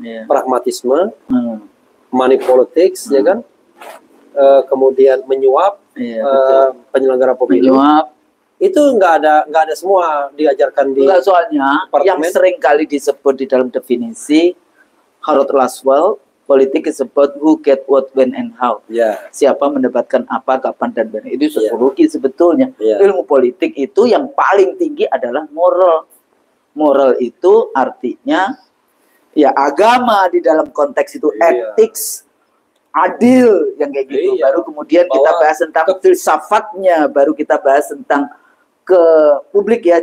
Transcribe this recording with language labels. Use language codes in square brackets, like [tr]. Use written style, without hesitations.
[id] Pragmatisme, money politics, ya kan? Kemudian menyuap, penyelenggara pemilu. Menyuap. Itu nggak ada semua diajarkan di. Enggak, soalnya yang sering kali disebut di dalam definisi Harold Laswell [en] politik is about who get what, when, and how. Yeah. [id] Siapa mendapatkan apa, kapan, dan [en] when. [id] Itu sosiologi sebetulnya. [en] Yeah. [id] Ilmu politik itu yang paling tinggi adalah moral. Moral itu artinya, ya agama di dalam konteks itu, ethics, adil, yang kayak gitu. [en] Yeah. [id] Baru kemudian kita bahas tentang filsafatnya, baru kita bahas tentang ke publik ya.